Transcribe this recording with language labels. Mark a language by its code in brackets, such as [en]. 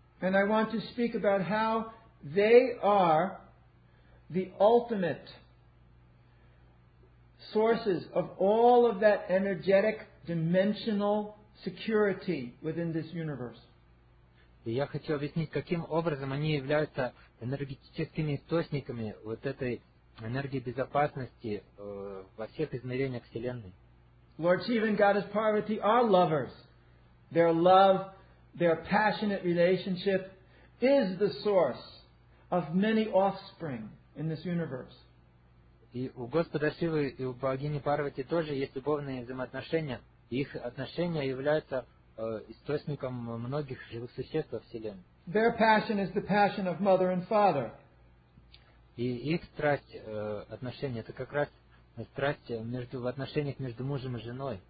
[en] And I want to speak about how they are the ultimate sources of all of that energetic dimensional security within this universe. [ru] И я хочу объяснить, каким образом они являются энергетическими источниками вот этой энергии безопасности во всех измерениях Вселенной. [en] Lord Shiva and Goddess Parvati are lovers. Their love, their passionate relationship is the source of many offspring in this universe. [ru] И у Господа Шивы и у Богини Парвати тоже есть любовные взаимоотношения. И их отношения являются источником многих живых существ во Вселенной. [en] Their passion is the passion of mother and father. [ru] И их страсть, отношения, это как раз страсть в отношениях между мужем и женой.